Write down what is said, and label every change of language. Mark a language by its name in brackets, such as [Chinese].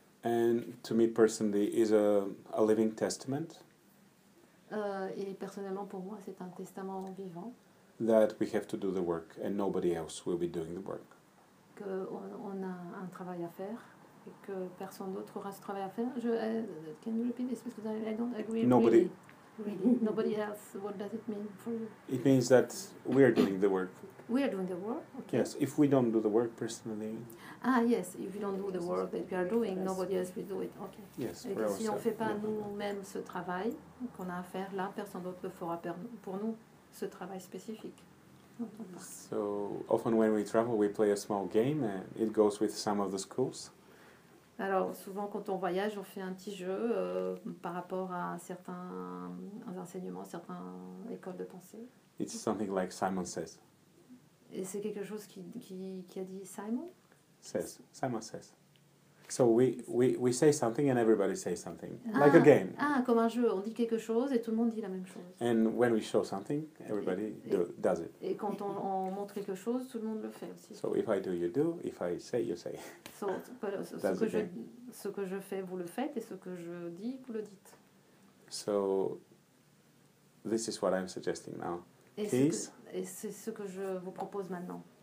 [English] And to me personally, is a living testament. [French] Et personnellement pour moi, c'est un testament vivant. [English] That we have to do the work, and nobody else will be doing the work. [French] Que on a un travail à faire, et que personne d'autre aura ce travail à faire. [English] Can you repeat this? Because I don't agree. Nobody. Really. Nobody else. What does it mean for you? It means that we are doing the work. We are doing the work. Okay. Yes, if we don't do the work personally. Ah yes, if we don't do the work that we are doing, nobody else will do it. Okay. Yes. [French] Et si on ne fait pas nous-mêmes ce travail qu'on a à faire là, personne d'autre ne fera pour nous ce travail spécifique. [English] So often when we travel, we play a small game, and it goes with some of the schools. [French] Alors souvent quand on voyage, on fait un petit jeu par rapport à certains enseignements, certaines écoles de pensée. [English] It's something like Simon Says. [French] Et c'est quelque chose qui a dit Simon? [English] Says. Simon Says. So we say something and everybody says something. Ah, like a game. [French] Ah, comme un jeu. On dit quelque chose et tout le monde dit la même chose. [English] And when we show something, everybody does it. [French] Et quand on montre quelque chose, tout le monde le fait aussi. [English] So if I do, you do. If I say, you say. [French] So ce que je fais, vous le faites. Et ce que je dis, vous le dites. [English] So this is what I'm suggesting now. [French] Et c'est ce que je vous propose maintenant.